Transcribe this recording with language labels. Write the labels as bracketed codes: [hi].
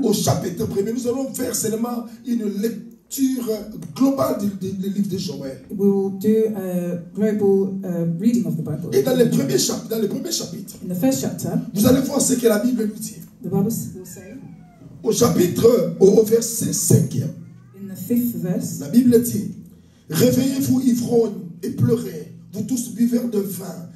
[fr] au chapitre premier, nous allons faire seulement une lecture globale du livre de Joël. [en] We will do a global reading of the Bible. [fr] Et dans le premier chapitre, dans le premier chapitre, [en] in the first chapter, [fr] vous allez voir ce que la Bible nous dit. [en] The Bible will say, [fr] au chapitre, au verset 5, [en] in the fifth verse, [fr] la Bible dit, réveillez-vous ivrogne et pleurez, vous tous buveurs de vin.